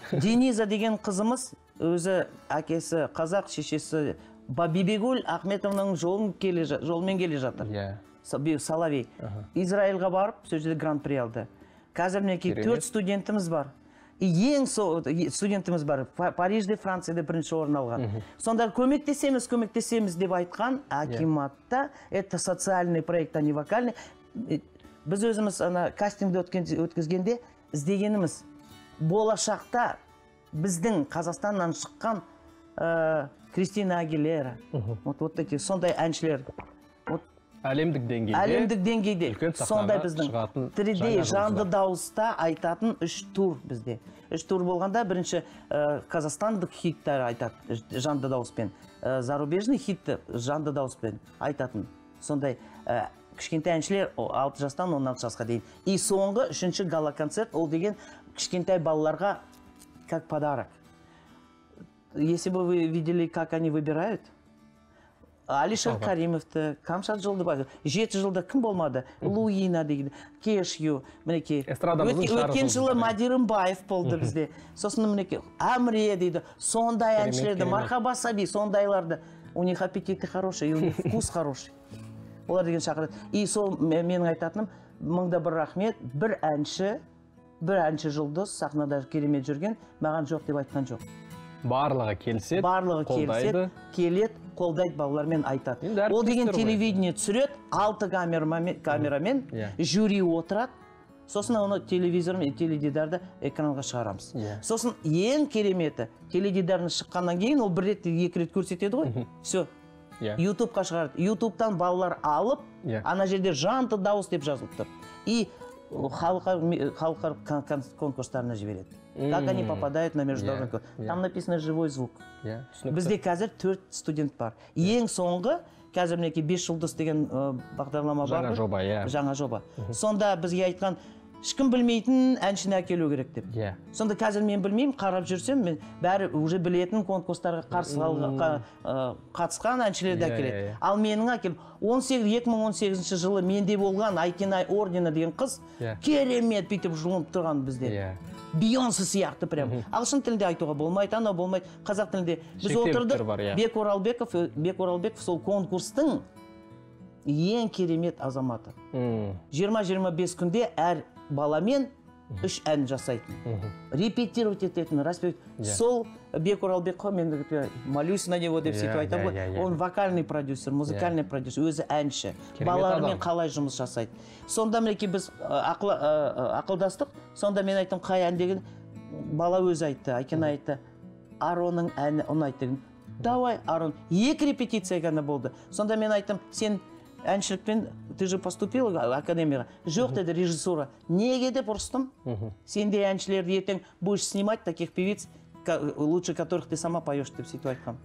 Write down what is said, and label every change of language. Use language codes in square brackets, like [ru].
[kk] Дениза деген қызымыз, өзі әкесі қазақ, шешесі Бабибегул Ахметовның жолымен келе жатыр. Салави. Израильға барып, сөз жерде гран-при алды. Қазір мінекей 4 студентіміз бар. Студентіміз бар, Парижде, Францияда бірінші орын алған. Сонда көмектесеміз, көмектесеміз деп айтқан, Акиматта, [ru] это социальный проект, а не вокальный. [kk] Біз өзіміз кастингді өткізгенде, іздегеніміз, болашақта біздің Қазақстаннан шыққан Кристина Агилера, сондай әншілер, Әлемдік деңгейде. Әлемдік деңгейде. Сонда біздің 3D жанды дауыста айтатын 3 тур бізде. 3 тур болғанда бірінші қазақстандық хиттер айтады жанды дауыспен. Зарубежный хитті жанды дауыспен айтатын. Сонда кішкентай әншілер 6 жастан 16 жасқа дейін. И соңғы 3-ші гала-концерт ол деген кішкентай балаларға [ru] как подарок. Если бы вы видели, как они выбирают, Алишер Каримовты, Камшат Жолдыбай, [kk] жеті жылда кім болмады, [ru] Луина деген, Кешью, мінекей. [kk] Эстрадамыздың шары. Өткен жылы Мадирым Баев болды бізде. Сосын мінекей, Амрия дейді, сондай әншілерді, Мархаба Саби, сондайларды. [ru] У них аппетиты хороший, у них вкус хороший. [kk] Олар деген шақырады. И сол менің айтатыным, мыңда бір рахмет, бір әнші жылдыз, сахнада керемет жүрген, маған жоқ деп айтқан жоқ. Барлығы келсет, барлығы келсет, келет, қолдайды балалармен айтады. Ол деген телевидение түсірет, 6 камерамен жюри отырат, сосын оны телевизорымен, теледидарды экранға шығарамыз. Сосын ең кереметі, теледидарын шыққаннан кейін, ол бір рет, екі рет көрсетеді ғой, все, YouTube-қа шығарды. YouTube-тан балалар алып, ана жерде жанты дауыс деп жазылыптыр. И халықарық конкурстарына жібереді. [ru] Как они попадают на международный конкурс. Там написано «живой звук». [kk] Бізде қазір 4 студент бар. Ең соңғы, қазір мінекі 5 жылдыз деген бағдарлама бар. Жаңа жоба, жаңа жоба. Сонда бізге айтқан, ешкім білмейтін әншіні әкелу керек деп. Сонда қазір мен білмейм, қарап жүрсем, мен бәрі уже білетін конкурстарға қатысқан әншілерді әкеледі. Ал менің әкем, 2018 жылы менде болған Айкенай ордені деген қыз, керемет бүйтіп жұлынып тұрған бізде. Бейонсы сияқты прям. Ағылшын тілінде айтуға болмайды, анау болмайды. Қазақ тілінде біз отырдық. Ең керемет азаматы. 20-25 күнде әр баламен үш ән жасайтын. Репетировать ететін, распевать. Сол Бек Оралбекова, [ru] мен молюсь на него [kk] деп сөйтіп айтамын. [ru] Он вокальный продюсер, музыкальный продюсер, [kk] өзі әнші. Балалармен қалай жұмыс жасайды. Сонда мінекі біз ақылдастық, сонда мен айтым қай ән деген, бала өзі айтты, Айкен айтты, Аронның әні ұнайды деген. Давай, Арон, екі репетиция ғана болды. Сонда мен айтым, сен әншілікпен, [ru] ты же поступил [kk] академияға, жоқ деді режиссура, неге деп ұрыстым, сенде әншілерді ертең [ru] будешь снимать таких певиц, лучше которых ты сама поешь, [kk] деп сөйтіп айтқам.